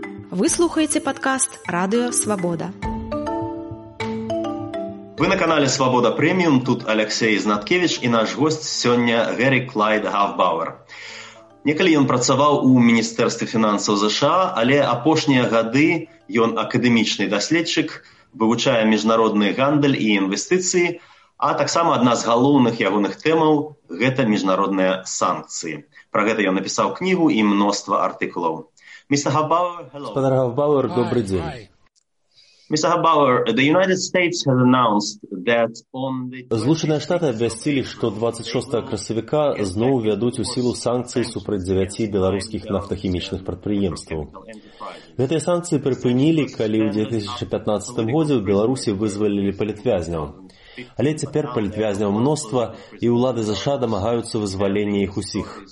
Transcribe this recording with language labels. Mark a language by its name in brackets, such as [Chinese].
[Russian] Вы слухаете подкаст «Радио Свобода». Вы на канале «Свобода Премиум». Тут Алексей Знаткевич и наш гость сегодня Гэрі Клайд Гафбауэр. [Belarusian] Некалі ён працаваў у Міністэрстве фінансаў ЗША, але апошнія гады ён акадэмічны даследчык, вывучае міжнародны гандаль і інвестыцыі, а таксама адна з галоўных ягоных тэмаў – гэта міжнародныя санкцыі. Пра гэта ён напісаў кнігу і мноства артыкулаў. [English] Містер Гафбауэр, hello. [Russian] Спадар Гафбауэр, добрый день. [English] Hi. Mr. Bauer, the United States has announced that on the [Belarusian] Злучаныя Штаты абвясцілі, што 26 красавіка зноў вядуць у сілу санкцыі супраць 9 беларускіх нафтахімічных прадпрыемстваў. Гэтыя санкцыі прыпынілі, калі ў 2015 годзе ў Беларусі вызвалілі палітвязняў. Але цяпер палітвязняў мноства, і ўлады ЗША дамагаюцца вызвалення іх усіх.